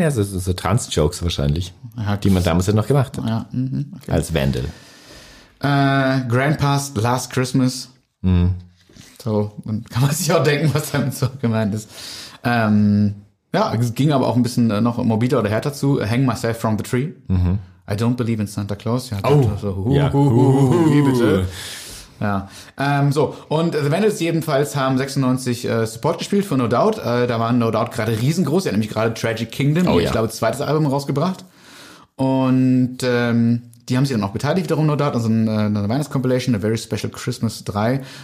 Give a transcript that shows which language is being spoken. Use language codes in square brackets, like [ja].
[de] Ja, so Trans-Jokes wahrscheinlich, die man damals ja noch gemacht hat. Ja, okay. Als Vandal. Grandpa's Last Christmas. So, dann kann man sich auch denken, was damit so gemeint ist. Ja, es ging aber auch ein bisschen noch morbider oder härter zu. [en] Hang myself from the tree. I don't believe in Santa Claus. [de] Ja, oh, so, wie bitte? Ja, so. Und The Vandals jedenfalls haben 96 Support gespielt für No Doubt. Da waren No Doubt gerade riesengroß. Sie hatten nämlich gerade Tragic Kingdom, ich glaube, zweites Album rausgebracht. Und die haben sich dann auch beteiligt wiederum nur dort, also eine Weihnachtscompilation, A Very Special Christmas 3.